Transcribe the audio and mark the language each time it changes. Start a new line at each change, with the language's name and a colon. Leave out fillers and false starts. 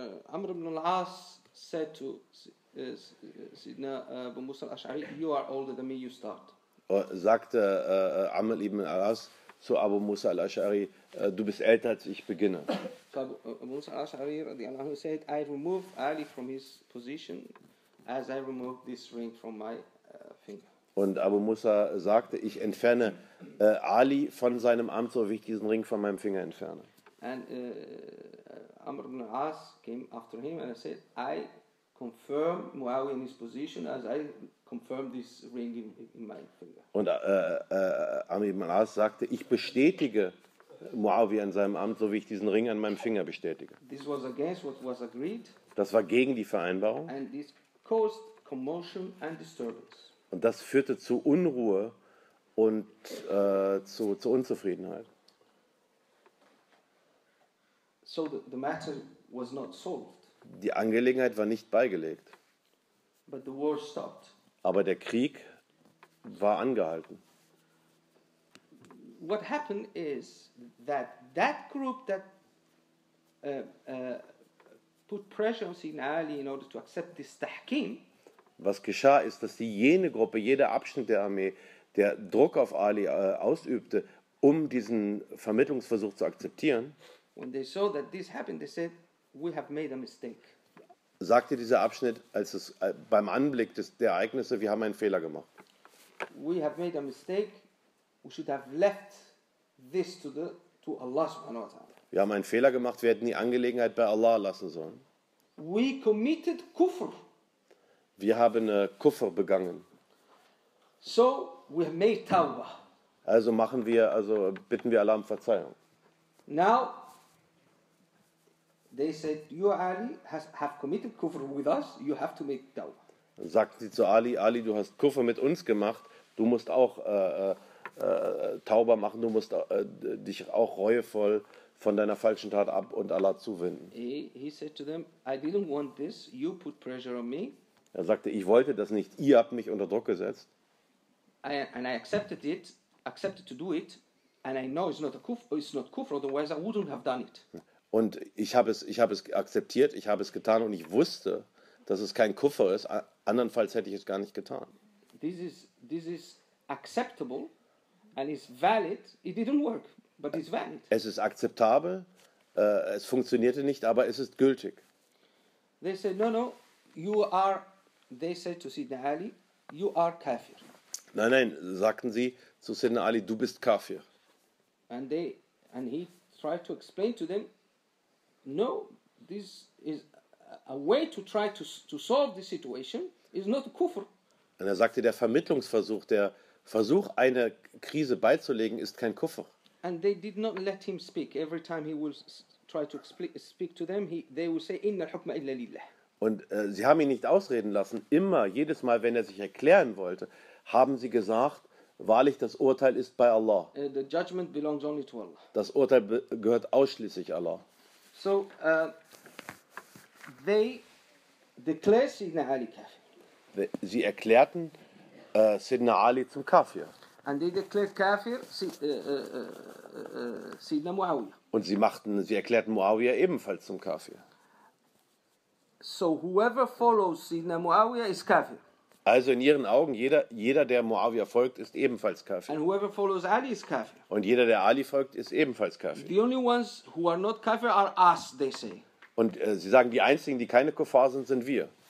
English: Amr ibn al-As said to Sayyidina Abu Musa al-Ash'ari, you are older than me, you start.
German: Sagte Amr ibn al-As zu Abu Musa al-Ash'ari, du bist älter als ich, beginne.
English: So Abu Musa al-Ash'ari radiallahu said, I remove Ali from his position as I remove this ring from my finger.
German: Und Abu Musa sagte, ich entferne Ali von seinem Amt, so wie ich diesen Ring von meinem Finger entferne.
English: And Amr ibn al-As came after him and said, I confirm Muawiyah in his position as I confirm this ring in my finger.
German: Und Amr ibn al-As sagte, ich bestätige Muawiyah in seinem Amt, so wie ich diesen Ring an meinem Finger bestätige.
English: This was against what was agreed.
German: Das war gegen die Vereinbarung.
English: And this caused commotion and disturbance.
German: Und das führte zu Unruhe und zu Unzufriedenheit.
English: So the matter was not solved.
German: Die Angelegenheit war nicht beigelegt.
English: But the war stopped.
German: Aber der Krieg war angehalten.
English: What happened is that that group that put pressure on Sayyidina Ali in order to accept this tahkim.
German: Was geschah ist, dass jene Gruppe, jeder Abschnitt der Armee, der Druck auf Ali ausübte, um diesen Vermittlungsversuch zu akzeptieren,
English: when they saw that this happened, they said, we have made a mistake.
German: Sagte dieser Abschnitt, als es beim Anblick der Ereignisse, wir haben einen Fehler gemacht.
English: We have made a mistake. We should have left this to Allah subhanahu wa ta'ala.
German: Wir haben einen Fehler gemacht. Wir hätten die Angelegenheit bei Allah lassen sollen.
English: We committed kufr.
German: Wir haben Kufr begangen.
English: So we have made tawbah.
German: Also bitten wir Allah um Verzeihung.
English: Now they said, you Ali have committed kufr with us, you have to make tawbah.
German: Sagten sie zu Ali, Ali, du hast Kufr mit uns gemacht, du musst auch tawbah machen, du musst dich auch reuevoll von deiner falschen Tat ab und Allah zuwenden.
English: He said to them, I didn't want this, you put pressure on me.
German: Er sagte, ich wollte das nicht, ihr habt mich unter Druck gesetzt.
English: And I accepted to do it, and I know it's not kufr, otherwise I wouldn't have done it.
German: Und ich habe es akzeptiert, ich habe es getan und ich wusste, dass es kein Kufr ist, andernfalls hätte ich es gar nicht getan.
English: This is acceptable and is valid. It didn't work, but it's valid.
German: Es ist akzeptabel, es funktionierte nicht, aber es ist gültig.
English: They said, no, you are, they said to Sayyidina Ali, you are kafir.
German: Nein, sagten sie zu Sayyidina Ali, du bist kafir.
English: And he tried to explain to them, no, this is a way to try to solve the situation, is not kufr.
German: Und er sagte, der Vermittlungsversuch, der Versuch, eine Krise beizulegen, ist kein Kufr.
English: And they did not let him speak. Every time he would try to speak to them, they would say,
Arabic: inna al-hukma illa lillah.
German: Und sie haben ihn nicht ausreden lassen. Immer, jedes Mal, wenn er sich erklären wollte, haben sie gesagt, wahrlich, das Urteil ist bei Allah.
English: The judgment belongs only to Allah.
German: Das Urteil gehört ausschließlich Allah.
English: So, they declared Sidna Ali Kafir.
German: Sie erklärten Sidna Ali zum Kafir.
English: And they declared Kafir Sidna Muawiyah.
German: Und sie erklärten Muawiyah ebenfalls zum Kafir.
English: So whoever follows Sidna Muawiyah is Kafir.
German: Also in ihren Augen, jeder, der Muawiyah folgt, ist ebenfalls Kafir.
English: And whoever follows Ali is Kafir.
German: Und jeder, der Ali folgt, ist ebenfalls Kafir.
English: The only ones who are not Kafir are us, they say.
German: Und sie sagen, die einzigen, die keine Kuffar sind, sind wir.